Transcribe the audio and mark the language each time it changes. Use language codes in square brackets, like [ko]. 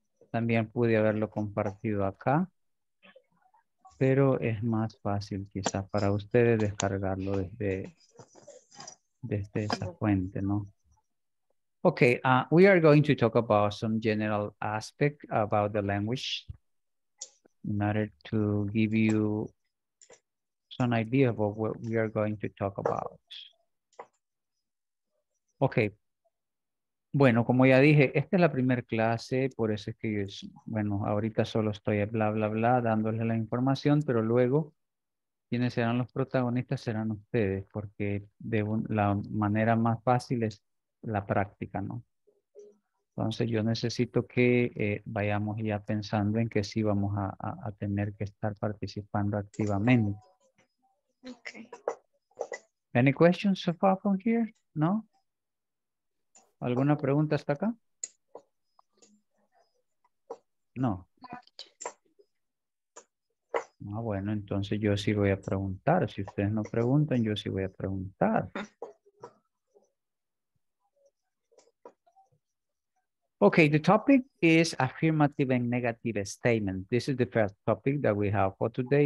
[es] También pude haberlo compartido acá, pero es más fácil quizás para ustedes descargarlo desde esa fuente, ¿no? [en] Okay, we are going to talk about some general aspect about the language in order to give you an idea of what we are going to talk about. Okay. [es] Bueno, como ya dije, esta es la primera clase, por eso es que yo, bueno, ahorita solo estoy bla, bla, bla, dándoles la información, pero luego, quienes serán los protagonistas serán ustedes, porque la manera más fácil es la práctica, ¿no? Entonces, yo necesito que vayamos ya pensando en que sí vamos a tener que estar participando activamente. [en] Okay. Any questions so far from here? No? [es] ¿Alguna pregunta hasta acá? No. Ah, bueno, entonces yo sí voy a preguntar. Si ustedes no preguntan, yo sí voy a preguntar. [en] Okay, the topic is affirmative and negative statement. This is the first topic that we have for today.